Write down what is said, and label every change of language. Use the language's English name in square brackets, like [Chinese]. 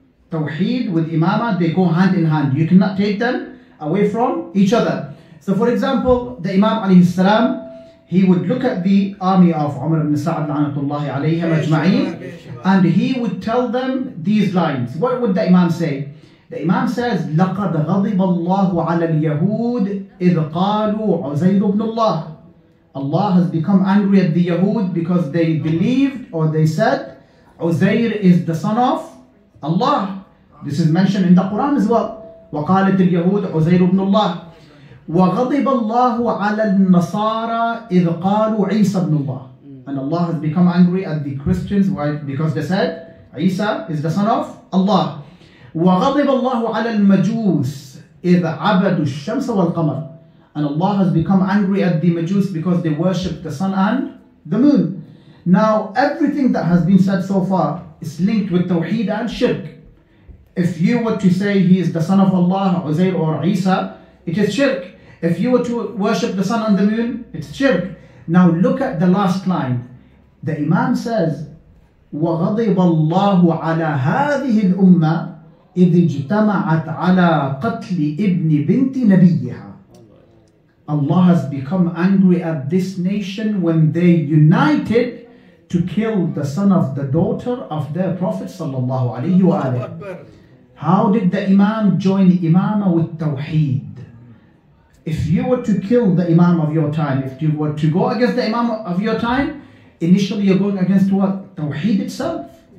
[English] Tawheed with Imama, they go hand in hand. You cannot take them away from each other. So for example, the Imam alayhi salam, he would look at the army of Umar ibn Sa'd la'anatullahi alayhim ajma'in, and he would tell them these lines. What would the Imam say? The Imam says, [Arabic] لَقَدْ غَضِبَ اللَّهُ عَلَى الْيَهُودِ إِذْ قَالُوا عُزَيْرُ بْنُ اللَّهِ. [English] Allah has become angry at the Yahud because they believed, or they said, Uzair is the son of Allah. This is mentioned in the Quran as well. [Arabic] وَقَالَتِ الْيَهُودِ عُزَيْرُ بْنُ اللَّهِ. وَغَضِبَ اللَّهُ عَلَى النَّصَارَى إِذْ قَالُوا عِيسَى بْنُ اللَّهِ. [English] And Allah has become angry at the Christians, right? Because they said, Isa is the son of Allah. [Arabic] وغضب الله على المجوس إذ عبدوا الشمس والقمر. [English] And Allah has become angry at the Majus because they worship the sun and the moon. Now, everything that has been said so far is linked with Tawheed and Shirk. If you were to say he is the son of Allah, Uzair or Isa, it is Shirk. If you were to worship the sun and the moon, it's Shirk. Now, look at the last line. The Imam says, [Arabic] وغضب الله على هذه الأمة إِذِ اجْتَمَعَتْ عَلَىٰ قَتْلِ إِبْنِ بِنْتِ نَبِيِّهَا. [English] Allah has become angry at this nation when they united to kill the son of the daughter of their Prophet sallallahu alayhi wa alayhi. How did the Imam join Imama with Tawheed? If you were to kill the Imam of your time, if you were to go against the Imam of your time, initially you're going against what? Tawheed itself.